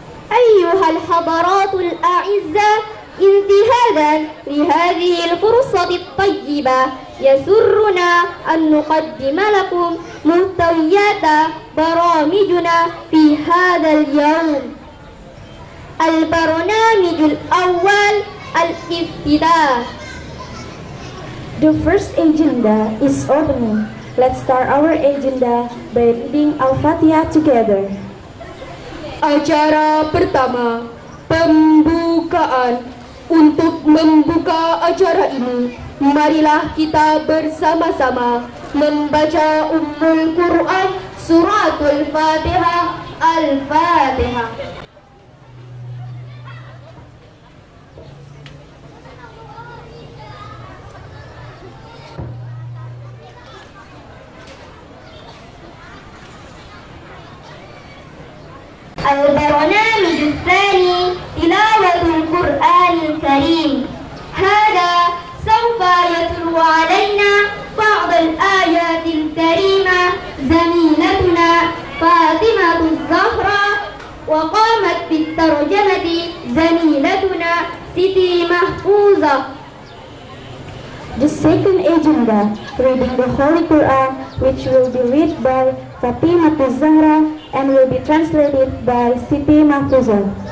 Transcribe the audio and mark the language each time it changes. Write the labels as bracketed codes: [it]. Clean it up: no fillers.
[ar] Ayuhal hadaratul a'izzah, انتهادا لهذه الفرصة الطيبة يسرنا أن نقدم لكم محتويات برامجنا في هذا اليوم. البرنامج الأول الافتتاح. [en] The first agenda is opening. Let's start our agenda by reading Al-Fatihah together. [id] Acara pertama, pembukaan. Untuk membuka acara ini, marilah kita bersama-sama membaca Ummul Quran Suratul Fatihah Al-Fatihah. [ar] البرنامج الثاني تلاوة القرآن الكريم. هذا سوف يتلو علينا بعض الآيات الكريمة زميلتنا فاطمة الزهرة، وقامت بالترجمة زميلتنا سيتي محفوظة. [en] The second agenda, reading the Holy Quran, which will be read by Fatima Tuzahra and will be translated by Siti Mahfuza.